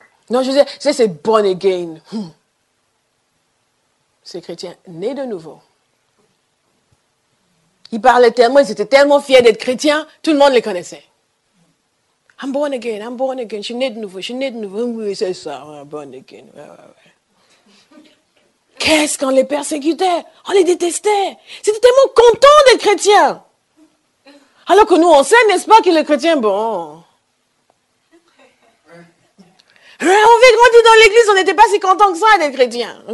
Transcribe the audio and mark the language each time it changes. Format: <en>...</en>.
<fr>Non, je disais, c'est «</fr> <en>born again.</en> <fr>» Ces chrétiens, nés de nouveau. Ils parlaient tellement, ils étaient tellement fiers d'être chrétiens, tout le monde les connaissait.</fr> <en>I'm born again,</en> <fr>je suis né de nouveau. Oui, c'est ça,</fr> <en>I'm born again.</en> <fr>Qu'est-ce qu'on les persécutait? On les détestait. C'était tellement content d'être chrétien. Alors que nous, on sait, n'est-ce pas, que les chrétiens, bon. On dit dans l'église, on n'était pas si content que ça d'être chrétien.</fr>